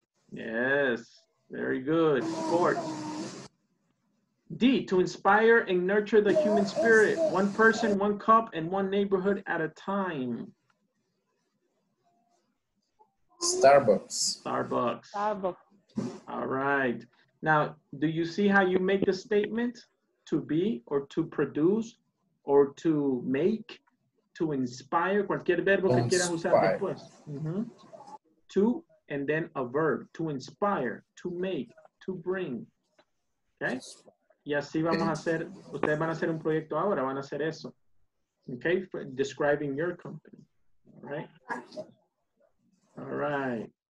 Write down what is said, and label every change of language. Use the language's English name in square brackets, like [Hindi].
[English] Yes. Very good. Sport. D, to inspire and nurture the human spirit. One person, one cup, and one neighborhood at a time. Starbucks. All right. Now, do you see how you make the statement? To be, or to produce, or to make, to inspire, [Spanish] cualquier verbo que quieras usar después. Mm-hmm. [English] To, and then a verb. To inspire, to make, to bring. Okay. [Spanish] Y así vamos a hacer, ustedes van a hacer un proyecto ahora, van a hacer eso. [English] Okay, for describing your company. All right.